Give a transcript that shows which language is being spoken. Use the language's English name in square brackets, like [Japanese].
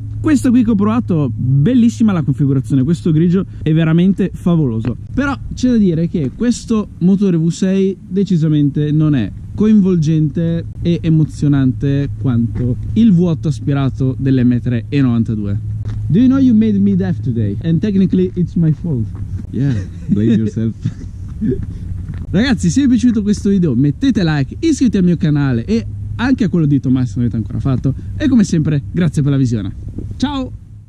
[Italian] Questo qui che ho provato, bellissima la configurazione, questo grigio è veramente favoloso. Però c'è da dire che questo motore V6 decisamente non è coinvolgente e emozionante quanto il V8 aspirato dell'M3 E92. [English] Do you know you made me deaf today? And technically it's my fault. Yeah, blame yourself. [Italian] Ragazzi, se vi è piaciuto questo video mettete like, iscrivetevi al mio canale e anche a quello di Tommaso se non l'avete ancora fatto. E come sempre, grazie per la visione. Ciao!